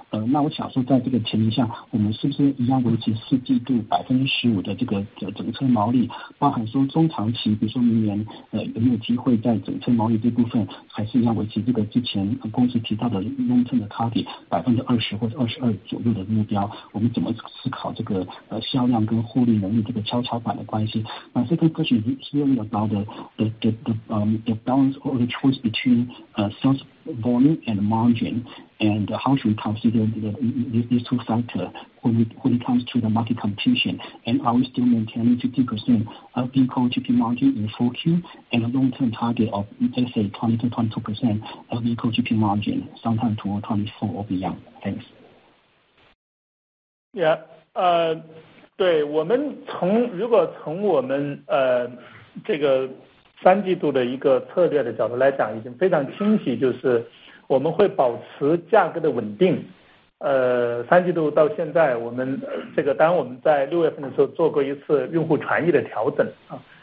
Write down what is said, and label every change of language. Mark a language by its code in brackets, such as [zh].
[zh] 那我想说，在这个前提下，我们是不是一样维持四季度15%的这个整车毛利，包含说中长期，比如说明年有没有机会在整车毛利这部分还是一样维持这个之前公司提到的 [en] long term [zh] 的 target 20%或22%左右的目标？我们怎么思考这个销量跟获利能力这个跷跷板的关系？ [en] My second question is really about the balance or the choice between sales volume and margin, and how should we consider these two factors when it comes to the market competition, and are we still maintaining 50% of vehicle GP margin in 4Q and a long-term target of, let's say, 20% to 22% of vehicle GP margin sometime toward 24 or beyond? Thanks. Yeah. [zh] 对，我们从我们这个三季度的一个策略的角度来讲，已经非常清晰，就是我们会保持价格的稳定，三季度到现在，我们这个当我们在六月份的时候做过一次用户权益的调整啊。